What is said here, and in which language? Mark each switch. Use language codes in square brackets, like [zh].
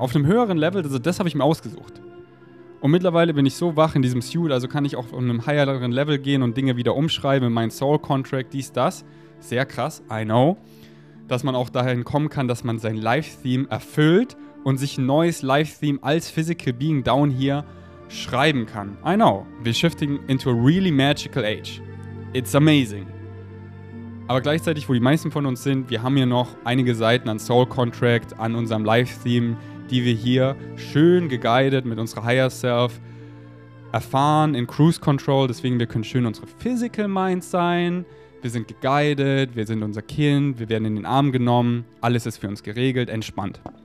[de] Auf einem höheren Level, also das habe ich mir ausgesucht. Und mittlerweile bin ich so wach in diesem Suit, also kann ich auch auf einem höheren Level gehen und Dinge wieder umschreiben, mein Soul Contract, dies, das. Sehr krass, [en] I know. [de] Dass man auch dahin kommen kann, dass man sein Life-Theme erfüllt und sich ein neues Life-Theme als [en] Physical Being down here [de] schreiben kann. [en] I know, we're shifting into a really magical age. It's amazing. [de] Aber gleichzeitig, wo die meisten von uns sind, wir haben hier noch einige Seiten an Soul Contract, an unserem Life-Theme, die wir hier schön geguided mit unserer Higher Self erfahren in Cruise Control. Deswegen, wir können schön unsere Physical Mind sein. Wir sind geguided, wir sind unser Kind, wir werden in den Arm genommen, alles ist für uns geregelt, entspannt.